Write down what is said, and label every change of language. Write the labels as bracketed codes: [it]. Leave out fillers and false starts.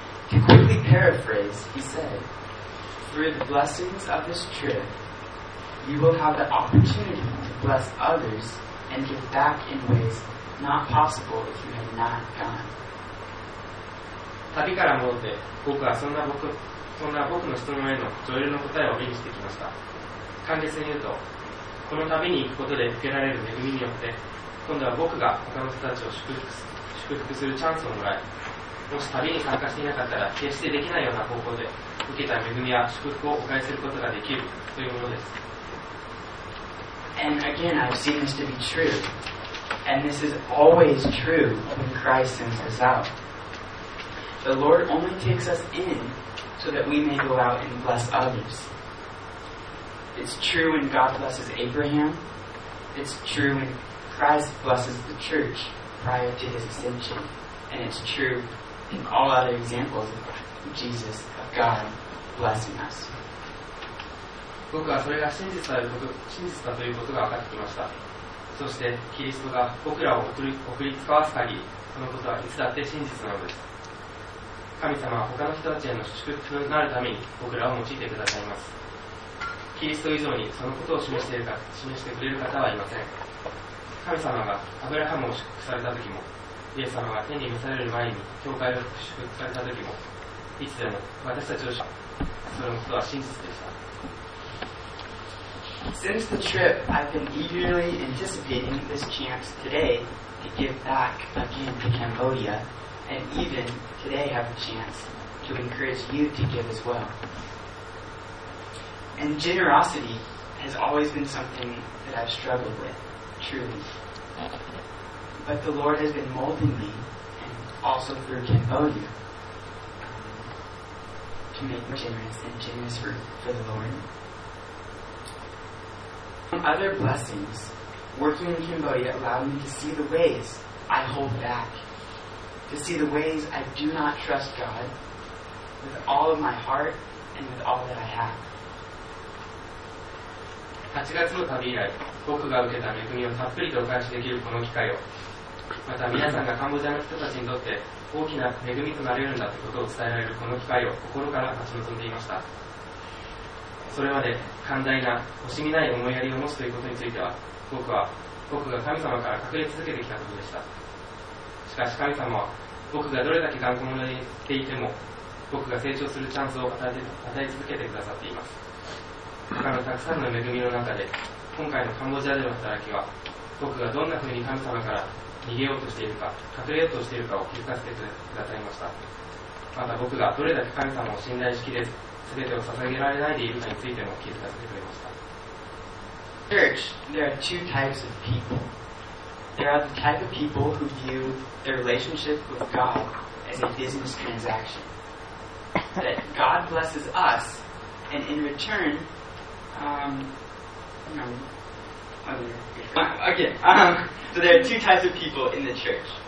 [en] To quickly paraphrase, he said, Through the blessings of this trip, you will have the opportunity to bless others and give back in ways not possible if you had not gone. [ja] 旅から戻って、僕はそんな僕の質問へのジョエルの答えを目にしてきました。簡潔に言うと、この旅に行くことで受けられる恵みによって、今度は僕が他の人たちを祝福するチャンスをもらい、もし旅に参加していなかったら決してできないような方法で受けた恵みや祝福をお返しすることができるというものです。 [en] And again, I've seen this to be true. And this is always true when Christ sends us out. The Lord only takes us in so that we may go out and bless others. It's true when God blesses Abraham. It's true whenChrist blesses the church prior to his ascension, and it's true in all other examples of Jesus, of God, blessing us. [ja] 僕はそれが真実だと、真実だということが分かってきました。そして、キリストが僕らを送り使わす限り、そのことはいつだって真実なのです。神様は他の人たちへの祝福になるために僕らを用いてくださいます。キリスト以上にそのことを示してくれる方はいません。神様がアブラハムを祝福された時も、イエス様が天に召される前に教会を祝福された時も、いつでも私たちを祝福するのことは真実でした。 [en] Since the trip, I've been eagerly anticipating this chance today to give back again to Cambodia, and even today have a chance to encourage you to give as well. And generosity has always been something that I've struggled with. Truly. But the Lord has been molding me, and also through Cambodia, to make generous and generous for the Lord. Among other blessings, working in Cambodia allowed me to see the ways I hold back, to see the ways I do not trust God with all of my heart and with all that I have. [ja] 8月の旅以来、僕が受けた恵みをたっぷりとお返しできるこの機会を、また皆さんがカンボジアの人たちにとって大きな恵みとなれるんだということを伝えられるこの機会を心から待ち望んでいました。それまで寛大な、惜しみない思いやりを持つということについては、僕が神様から隠れ続けてきたことでした。しかし神様は、僕がどれだけ頑固者でいても、僕が成長するチャンスを与え続けてくださっています。他のたくさんの恵みの中で、今回のカンボジアでの働きは、僕がどんなふうに神様から逃げようとしているか、隠れようとしているかを気づかせてくださいました。また僕がどれだけ神様を信頼しきれず、すべてを捧げられないでいるかについても気づかせてくれました。 [en] Church, there are two types of people. There are the type of people who view their relationship with God as a business transaction. That God blesses us, and in return, So there are two types of people in the church.